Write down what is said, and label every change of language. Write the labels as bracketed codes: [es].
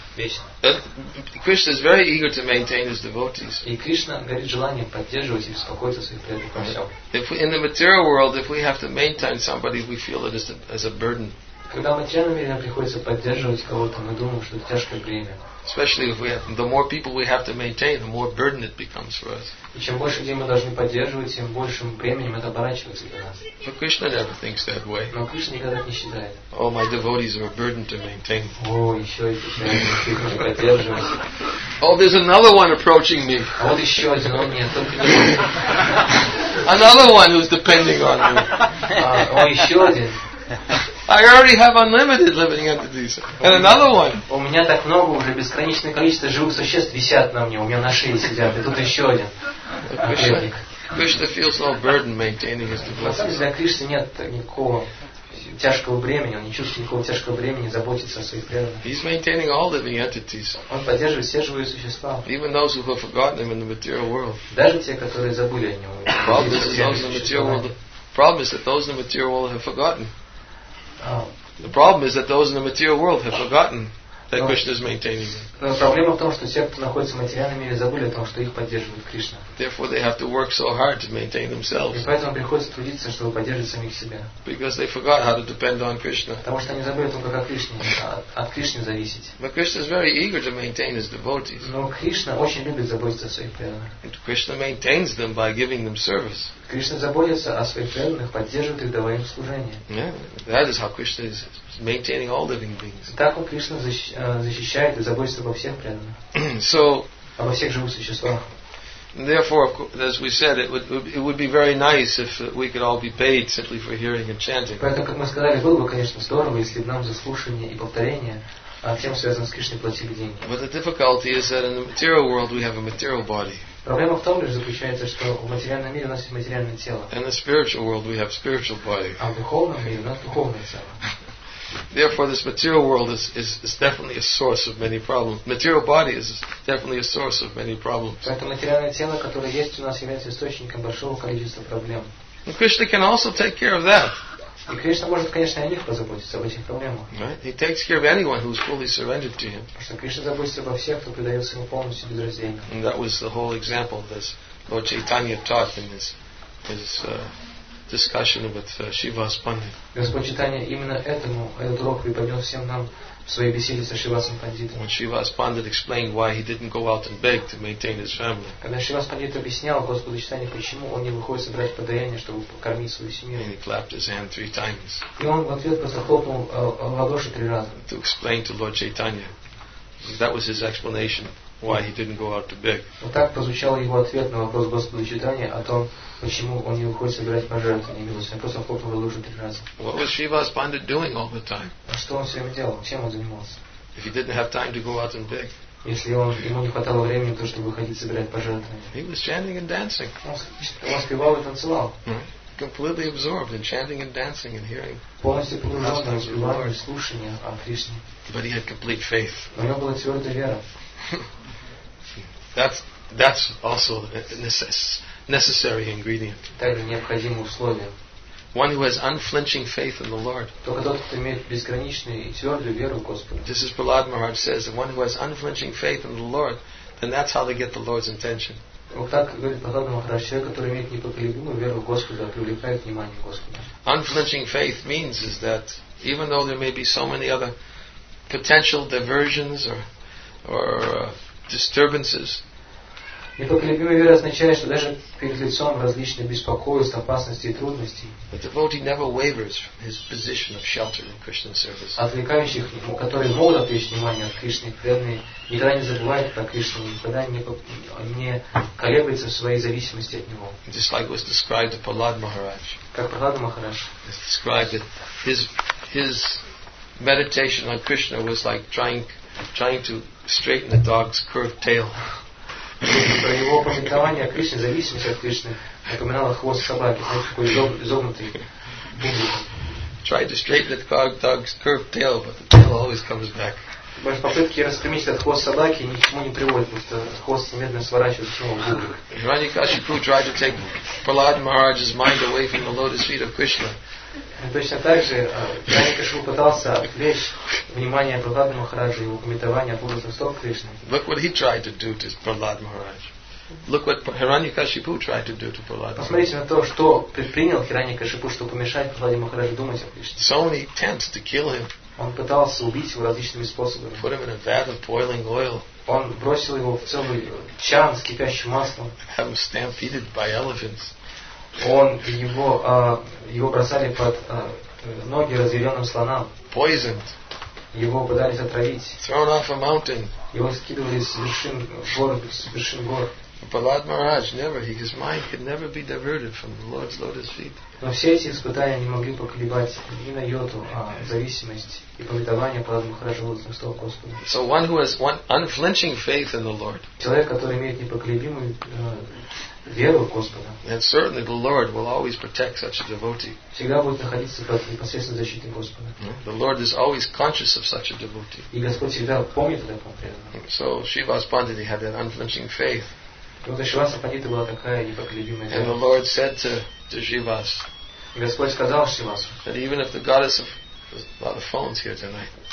[ru] Вечно. [en] Krishna is very eager to maintain his devotees. [ru] И Кришна горит желанием поддерживать и беспокоиться о своих преданных по всем. [en] In the material world, if we have to maintain somebody, we feel it as a burden. [ru] Когда материальным мирам приходится поддерживать кого-то, мы думаем, что это тяжкое бремя. [en] Especially if we have, the more people we have to maintain, the more burden it becomes for us. [ru] И чем больше людей мы должны поддерживать, тем большим бременем это оборачивается для нас. [en] But Krishna never thinks that way. [ru] Но Кришна никогда не считает. [en] Oh, my devotees are a burden to maintain. [ru] О, еще и преданные поддерживать. [en] Oh, there's another one approaching me. [ru] А вот еще один, он нет, только не. [en] Another one who's depending on me. [ru] О, еще один. [en] I already have unlimited living entities. And another one. [ru] У меня так много уже бесконечное количество живых существ висят на мне. У меня на шее сидят. И тут еще один. [en] Krishna feels no burden maintaining his devotees. [ru] Для Кришны нет никакого тяжкого бремени. Он не чувствует никакого тяжкого бремени, заботится о своих преданных. [en] He's maintaining all living entities. [ru] Он поддерживает все живые существа. [en] Even those who have forgotten him in the material world. [ru] Даже те, которые забыли о нем. [en] Problem is that those in the material world have forgotten. The problem is that those in the material world have forgotten. That question is maintaining them. [ru] Но проблема в том, что те, кто находится в материальном мире, забыли о том, что их поддерживает Кришна. [en] Therefore, they have to work so hard to maintain themselves. [ru] И поэтому приходится трудиться, чтобы поддерживать самих себя. [en] Because they forgot how to depend on Krishna. [ru] Потому что они забыли о том, как от Кришны зависеть. [en] But Krishna is very eager to maintain his devotees. [ru] Но Кришна очень любит заботиться о своих преданных. [en] Krishna maintains them by giving them service. [ru] Кришна заботится о своих преданных, поддерживает их, давая им служение. [en] Yeah, that is how Krishna is maintaining all living beings. [ru] Так он Кришна защищает и заботится обо всех преданных. [en] So, [ru] обо всех живых существах. [en] Therefore, as we said, it would be very nice if we could all be paid simply for hearing and chanting. [ru] Поэтому, как мы сказали, было бы, конечно, здорово, если бы нам за слушание и повторение всем связанным с Кришной платили деньги. [en] But the difficulty is that in the material world we have a material body. [ru] Проблема в том лишь заключается, что в материальном мире у нас есть материальное тело. [en] In the spiritual world we have spiritual body. [ru] А в духовном мире у нас духовное тело. [en] Therefore, this material world is definitely a source of many problems. Material body is definitely a source of many problems. [ru] Это материальное тело, которое есть у нас, является источником большого количества проблем. [en] And Krishna can also take care of that. [ru] И Кришна может, конечно, о них позаботиться, об этих проблемах. [en] Right? He takes care of anyone who is fully surrendered to him. [ru] Потому что Кришна заботится обо всех, кто предается ему полностью без раздельно. [en] And that was the whole example that Lord Chaitanya taught in his discussion with Shivas Pandit. [ru] Господь Читания именно этому этот урок преподнес всем нам в своей беседе со Шивасом Пандитом. [en] When Shivas Pandit explained why he didn't go out and beg to maintain his family. [ru] Когда Шивас Пандит объяснял Господу Читания, почему он не выходит собирать подаяние, чтобы покормить свою семью. [en] And he clapped his hand three times. [ru] И он в ответ просто хлопнул в ладоши три раза. [en] To explain to Lord Chaitanya. That was his explanation why he didn't go out to beg. [ru] Вот так прозвучал его ответ на вопрос Господа Читания о том, почему он не выходит собирать пожертвования милости. Он просто хлопнул в ладоши три раза. [en] What was Shivas Pandit doing all the time? [ru] А что он все время делал? Чем он занимался? [en] If he didn't have time to go out and beg. [ru] Если ему не хватало времени, то чтобы выходить собирать пожертвования. [en] He was chanting and dancing. [ru] Он спевал и танцевал. [en] Completely absorbed in chanting and dancing and hearing. [ru] Полностью погружен в разговоры и слушание о Кришне. [en] But he had complete faith. [ru] У него была твердая вера. [en] That's also necessary ingredient. [ru] Также необходимое условие. [en] One who has unflinching faith in the Lord. [ru] Только тот, кто имеет безграничную и твердую веру в Господа. [en] This is Prahlad Maharaj says, the one who has unflinching faith in the Lord, then that's how they get the Lord's intention. [ru] Вот так говорит Прохлад Махарадж, человек, который имеет непоколебимую веру в Господа, привлекает внимание Господа. [en] Unflinching faith means is that even though there may be so many other potential diversions or disturbances. [ru] Непоколебимая вера означает, что даже перед лицом различных беспокойств, опасностей и трудностей, [en] devotee never wavers from his position of shelter in Krishna's service. [ru] Отвлекающих, которые могут отвлечь внимание от Кришны, преданные никогда не забывают про Кришну, никогда не колеблется в своей зависимости от него. [en] Just like was described to Prahlad Maharaj. [ru] Как Прахлад Махарадж. [en] It's described that his meditation on Krishna was like trying to straighten the dog's curved tail. [ru] Про его памятование о Кришне, зависимость от Кришны, напоминало хвост собаки, такой изогнутый. [en] Try to straighten the dog's curved tail, but the tail always comes back. [ru] Ваши попытки распрямить этот хвост собаки ни к чему не приводят, потому что хвост медленно сворачивает снова в бубик. [en] Ранни Кашипу tried to take Prahlad Maharaj's mind away from the lotus feet of Krishna. [ru] Точно так же Ранни Кашипу пытался отвлечь внимание Прахлада Махараджа и его комментирование о лотосных стоп Кришны. [en] Look what he tried to do to Prahlad Maharaj. Look what Hirani Kashipu tried to do to Prahlad. [ru] Посмотрите на то, что предпринял Хирани Кашипу, чтобы помешать Прахладе Махараджу думать о Кришне. [en] So many attempts to kill him. [ru] Он пытался убить его различными способами. [en] Put him in a vat of boiling oil. [ru] Он бросил его в целый чан с кипящим маслом. [en] Have him stampeded by elephants. [ru] Он его бросали под ноги разъяренным слонам. [en] Poisoned. [ru] Его пытались отравить. [en] Thrown off a mountain. [ru] Его скидывали с вершин гор. [en] Prahlad Maharaj never, his mind could never be diverted from the Lord's lotus feet. [ru] Но все эти испытания не могли поколебать ни на йоту зависимость и повествование Прахлад Махараджа лотосных стоп Господа. [en] So one who has one unflinching faith in the Lord. [ru] Человек, который имеет непоколебимую веру в Господа. [en] And certainly the Lord will always protect such a devotee. [ru] Всегда будет находиться под непосредственной защитой Господа. [en] The Lord is always conscious of such a devotee. [ru] И Господь всегда помнит о таком преданном. [en] So Shivas Pandit had that unflinching faith. [ru] Вот Шивасу Пандиту была такая непоколебимая вера. [en] And the Lord said to Shivas. [ru] И Господь сказал Шивасу. [en] That even if the goddess of a lot of phones here tonight.